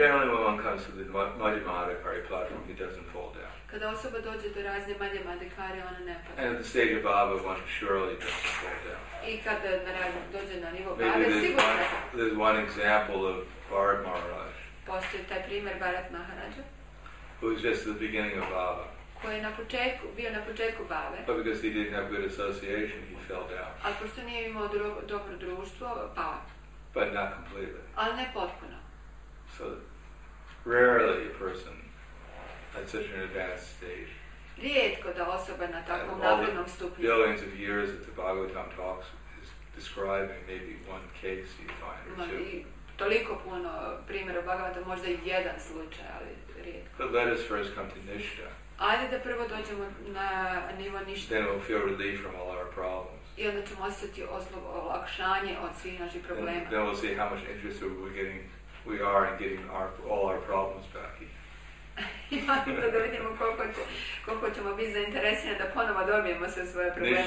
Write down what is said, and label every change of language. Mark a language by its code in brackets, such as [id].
[en] Generally, when one comes to the Madhyamadhikari platform, he doesn't fall down. [hr] Kada osoba dođe do razne Madhyamadhikari, ona ne pada. [en] And at the stage of Bhava, one surely doesn't fall down. [hr] I kada dođe na nivo Bhava, sigurno ne pada. [en] There's one example of Bharat Maharaj. [hr] Postoji taj primjer Bharat Maharaja. [en] Who is just at the beginning of Bhava. [hr] Koji je bio na početku Bhave. [en] But because he didn't have good association, he fell down. [hr] Ali pošto nije imao dobro društvo, pao. [en] But not completely. [hr] Ali ne potpuno. [en] So, rarely a person at such an advanced stage. [hr] Rijetko da osoba na takvom naprednom stupnju. [en] Billions of years that the Bhagavatam talks is describing maybe one case you find or two. [hr] Toliko puno primjera Bhagavata, možda i jedan slučaj, ali rijetko. [en] But let us first come to Nishta. [hr] Ajde da prvo dođemo na nivo Nishta. [en] Then we'll feel relief from all our problems. [hr] I onda ćemo osjetiti olakšanje od svih naših problema. [en] Then we'll see how much interest we are in getting all our problems back. [hr] I onda da vidimo koliko ćemo biti zainteresirani da ponovo dobijemo sve svoje probleme.